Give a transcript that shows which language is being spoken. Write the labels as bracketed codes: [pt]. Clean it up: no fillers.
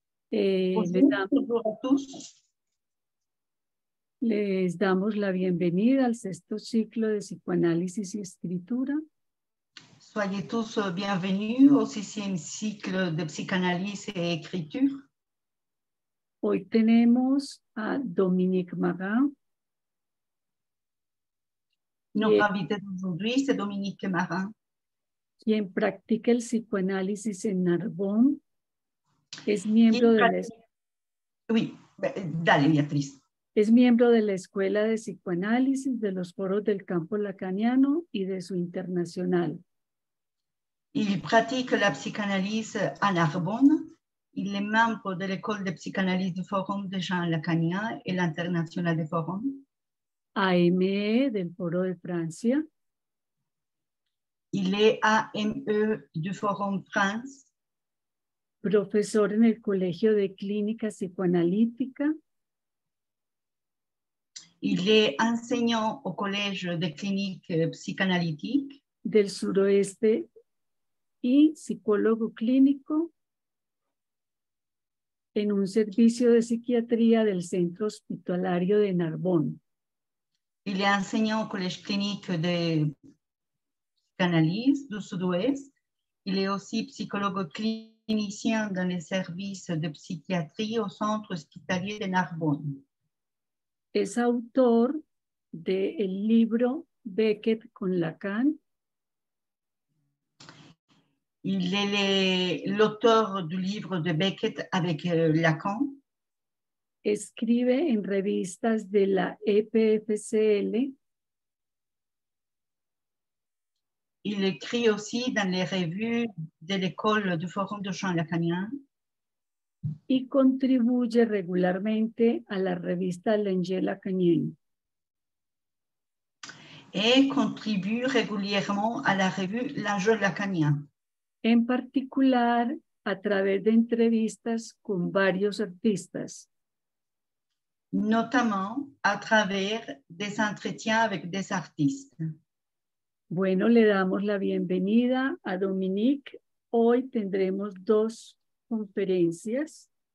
[es] Les damos la bienvenida al sexto ciclo de psicoanálisis y escritura. [fr] Soyez tous bienvenus au sixième cycle de psychanalyse et écriture. [es] Hoy tenemos a Dominique Marin. [fr] Notre invité d'aujourd'hui, c'est Dominique Marin. [es] Quien practica el psicoanálisis en Narbonne. Es miembro de la... [fr] Oui, dale, Beatriz. [es] Es miembro de la Escuela de Psicoanálisis de los Foros del Campo Lacaniano y de su Internacional. [fr] Il pratique la psychanalyse à Narbonne. Il est membre de l'École de Psychanalyse du Forum de Jean Lacanien et l'International de Forum. [es] AME del Foro de Francia. [fr] Il est AME du Forum France. [es] Profesor en el Colegio de Clínica Psicoanalítica. [fr] Il est enseignant au Collège de Clinique Psychanalytique. [es] Del Suroeste y psicólogo clínico en un servicio de psiquiatría del Centro Hospitalario de Narbonne. [fr] Il est enseignant au Collège Clinique de Psychanalyse du Sud-Ouest. Il est aussi psychologue clinicien dans les services de psychiatrie au Centre Hospitalier de Narbonne. [es] Es autor del libro Beckett con Lacan. [fr] Il est l'auteur du livre de Beckett avec Lacan. [es] Escribe en revistas de la EPFCL. [fr] Il écrit aussi dans les revues de l'école du Forum de Jean Lacanien. [es] Y contribuye regularmente a la revista Langer Lacanien. [fr] Et contribue régulièrement à la revue Langer Lacanien. [es] En particular a través de entrevistas con varios artistas. [fr] Notamment à travers des entretiens avec des artistes. [es] Bueno, le damos la bienvenida a Dominique. Hoy tendremos dos conferencias.